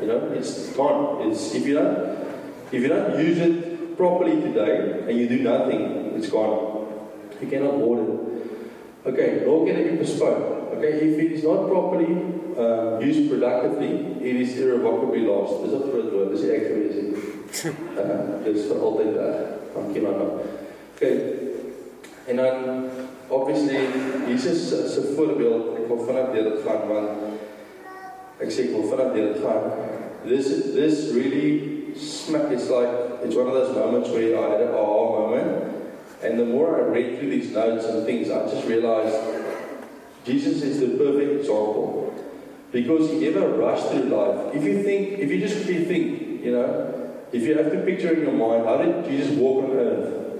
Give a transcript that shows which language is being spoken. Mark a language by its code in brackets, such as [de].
[en] You know, it's gone. It's, if you don't use it properly today and you do nothing, it's gone. You cannot hoard it. Okay, nor can it be postponed. Okay, if it is not properly used productively, it is irrevocably lost. Is that the first word? Is it actually? Is it? It's the old thing that I'm keen on. Okay, and then obviously, this is a voorbeeld. [af] Ek wil vinnig deur dit gaan, want ek sê ek wil vinnig deur dit gaan. [en] This really smack. It's like it's one of those moments where I had an aha moment. And the more I read through these notes and things, I just realized Jesus is the perfect example. Because he never rushed through life. If you think, you know, if you have to picture in your mind, how did Jesus walk on earth?